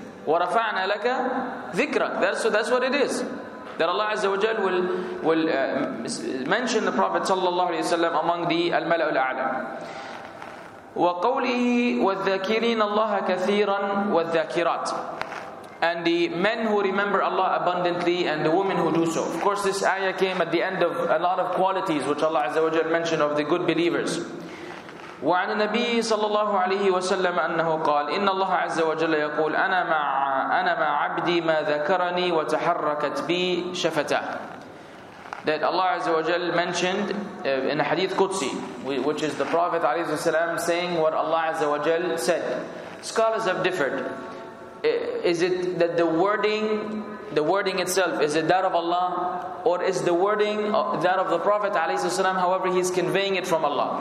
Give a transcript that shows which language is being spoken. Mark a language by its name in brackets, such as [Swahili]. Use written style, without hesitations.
[Arabic] وَرَفَعْنَا لَكَ ذِكْرًا. [English] That's what it is. That Allah Azza wa Jal will mention the Prophet sallallahu alayhi wa sallam among the al-mala'u al-a'la. [Arabic] وَقَوْلِهِ وَالذَّكِرِينَ اللَّهَ كَثِيرًا وَالذَّكِرَاتِ. [English] And the men who remember Allah abundantly and the women who do so. Of course, this ayah came at the end of a lot of qualities which Allah Azza wa Jal mentioned of the good believers. [Arabic] وعن النبي صلى الله عليه وسلم أنه قال إن الله عز وجل يقول أنا مع عبدي ما ذكرني وتحركت بي شفته. [English] That Allah عز وجل mentioned in a hadith Qudsi, which is the Prophet عليه السلام saying what Allah عز وجل said. Scholars have differed. Is it that the wording itself, is it that of Allah? Or is the wording that of the Prophet ﷺ, however he's conveying it from Allah?